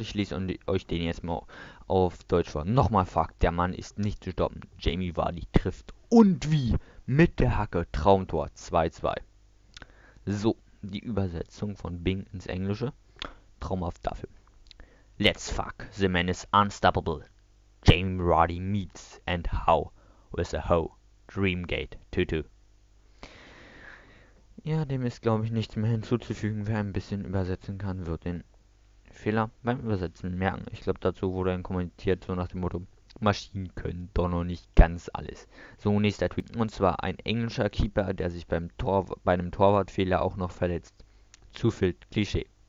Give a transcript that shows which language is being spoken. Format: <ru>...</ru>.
<de>Ich lese und euch den jetzt mal auf Deutsch vor. Nochmal Fakt: Der Mann ist nicht zu stoppen. Jamie Vardy trifft und wie mit der Hacke. Traumtor 2:2. So, die Übersetzung von Bing ins Englische. Traumhaft dafür.</de> <en>Let's fuck. The man is unstoppable. Jamie Vardy meets and how with a hoe. Dreamgate 2:2.</en> <de>Ja, dem ist, glaube ich, nichts mehr hinzuzufügen. Wer ein bisschen übersetzen kann, wird den Fehler beim Übersetzen merken. Ich glaube, dazu wurde dann kommentiert, so nach dem Motto: Maschinen können doch noch nicht ganz alles. So, nächster Tweet. Und zwar ein englischer Keeper, der sich bei einem Torwartfehler auch noch verletzt. Zu viel Klischee.</de>